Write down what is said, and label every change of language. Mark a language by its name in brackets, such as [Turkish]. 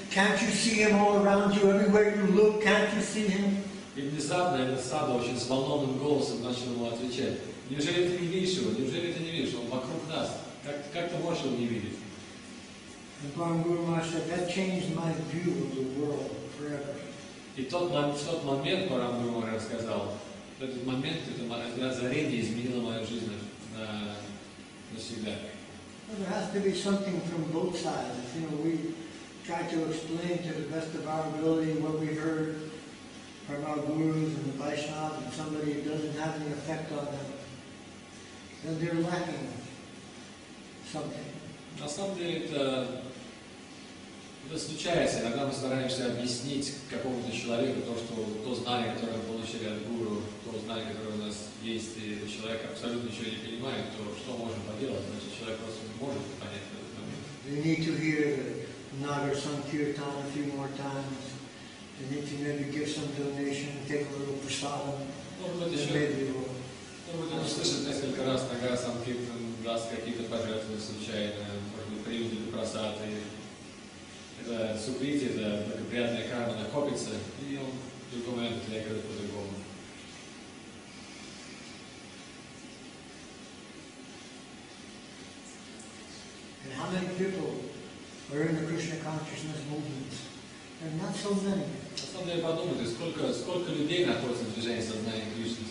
[English] Can't you see him all around you, everywhere you look? Can't you see him? [Russian] И внезапно этот саду очень взволнованным голосом начал ему отвечать. Неужели ты не видишь его? Неужели ты не видишь? Он вокруг нас. Как ты можешь его не видеть? [English] And Parm Guru Maharaj said, that changed my view of the world forever. [Russian] И тот момент, Парам Гуру Махарадж сказал, этот момент, это озарение изменило мою жизнь навсегда. [English] Well, there has to be something from both sides. You know, we try to explain to the best of our ability what we heard from our gurus and the Vaishnavas, and somebody who doesn't have any effect on them, then they're lacking something. [Russian] На самом деле это случается. Иногда мы стараемся объяснить какому-то человеку то, что то знание, которое мы получили от гуру, то знание, которое у нас есть, и этот человек абсолютно ничего не понимает, то что можно поделать? Значит, человек просто не может понять этот момент. [English] You need to hear Nagar Sankirtan a few more times. You need to maybe give some donation, take a little prasadam. [Russian] Может быть, услышать несколько раз Нагар Санкиртан даст какие-то пожертвования случайно, может быть, приюты или прасады. Это сукрити, это благоприятная карма накопится, и он в другой момент лекарит по-другому. [English] And how many people are in the Krishna consciousness movement? And not so many. [Russian] На самом деле подумайте, сколько людей находится в движении сознания Кришны?